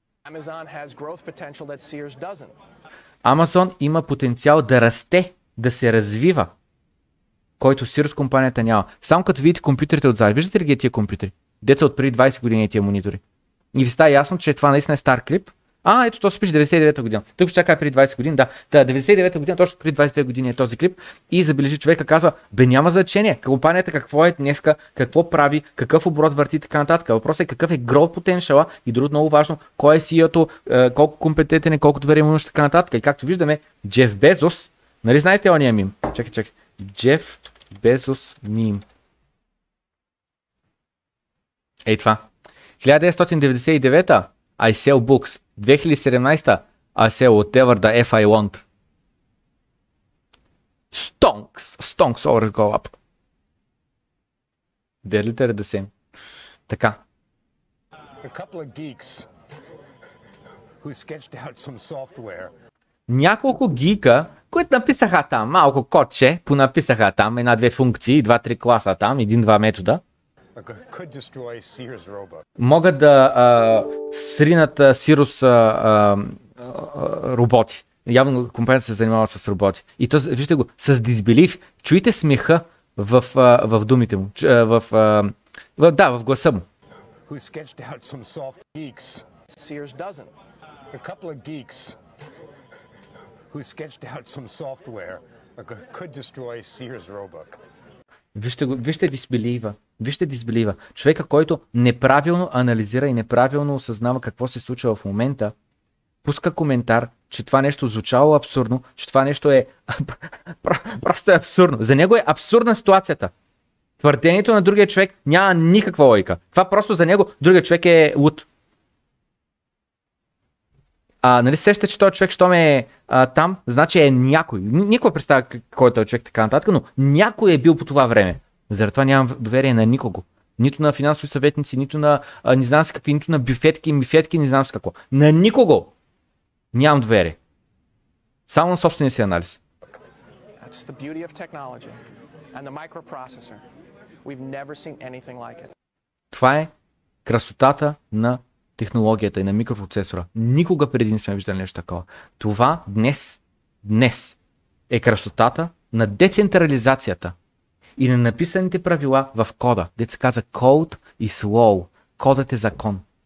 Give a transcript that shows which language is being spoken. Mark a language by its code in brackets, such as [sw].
[en] Amazon has growth potential that Sears doesn't. [bg] Amazon има потенциал да расте, да се развива, който Sears компанията няма. Само като видите компютрите отзад, виждате ли ги тия компютри? Деца от преди 20 години тия монитори. И ви става ясно, че това наистина е стар клип. А, ето то се пише 99-та година. Тъй, че така е преди 20 години, да. Та, 99-та година, точно преди 22 години е този клип. И забележи човека, казва, бе няма значение. Компанията какво е днеска, какво прави, какъв оборот върти, така нататък. Въпросът е какъв е [en] growth potential [bg] и друго много важно, кой е CEO-то, колко компетентен е, колко доверие му, така нататък. И както виждаме, Джеф Безос, нали знаете ония мим? Чакай. Джеф Безос мим. Ей това. [en] 1999-та, I sell books. 2017, I sell whatever the F I want. Stonks over go up. They're literally the same. [bg] Така. [en] A couple of geeks who sketched out some software. [bg] Няколко гика, които написаха там малко кодче, понаписаха там една-две функции, два-три класа там, един-два метода. [en] Could destroy Sears robot. [bg] Могат да сринат Sears роботи. Явно компанията се занимава с роботи. И то, вижте го, с дисбелив, чуйте смеха в думите му. В гласа му. [en] Who sketched out some soft geeks? Sears doesn't. A couple of geeks who sketched out some software could destroy Sears robot. [bg] Вижте дисбелива. Човека, който неправилно анализира и неправилно осъзнава какво се случва в момента, пуска коментар, че това нещо звучало абсурдно, че това нещо е просто е абсурдно. За него е абсурдна ситуацията. Твърдението на другия човек няма никаква логика. Това просто за него другия човек е луд. Нали сеща, че този човек, щом е там, значи е някой. Никой представя кой е този човек, така нататък, но някой е бил по това време. Заради това нямам доверие на никого. Нито на финансови съветници, нито на не знам с какви, нито на бюфетки, мифетки, не знам с какво. На никого нямам доверие. Само на собствения си анализ. [en] That's the beauty of technology and the microprocessor. We've never seen anything like it. [bg] Това е красотата на технологията и на микропроцесора. Никога преди не сме виждали нещо такова. Това днес е красотата на децентрализацията и на написаните правила в кода. Деца каза, [en] code is law. [bg] Кодът е закон.